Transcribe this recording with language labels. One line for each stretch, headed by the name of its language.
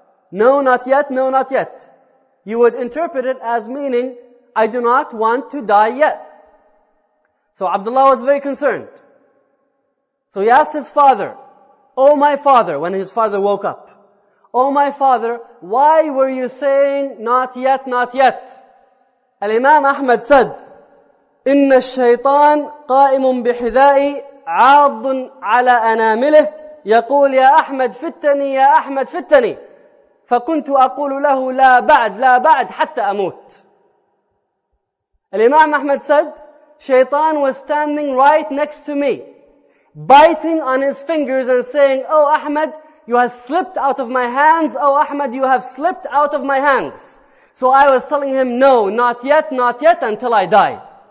English: No, not yet, no, not yet. You would interpret it as meaning, I do not want to die yet. So Abdullah was very concerned. So he asked his father, oh my father, when his father woke up, oh my father, why were you saying not yet, not yet? Al-Imam Ahmad said,
Arabic: إِنَّ الشَّيْطَانَ قَائِمٌ بِحِذَائِي عَاضٌ عَلَىٰ أَنَامِلِهِ يَقُولْ يَا أَحْمَدْ فِتَّنِي يَا أَحْمَدْ فِتَّنِي فَكُنْتُ أَقُولُ لَهُ لَا بَعْدْ لَا بَعْدْ حَتَّى أَمُوتُ.
English: Al-Imam Ahmad said, Shaitan was standing right next to me, biting on his fingers and saying, oh Ahmed, you have slipped out of my hands. Oh Ahmed, you have slipped out of my hands. So I was telling him, no, not yet, not yet, until I die.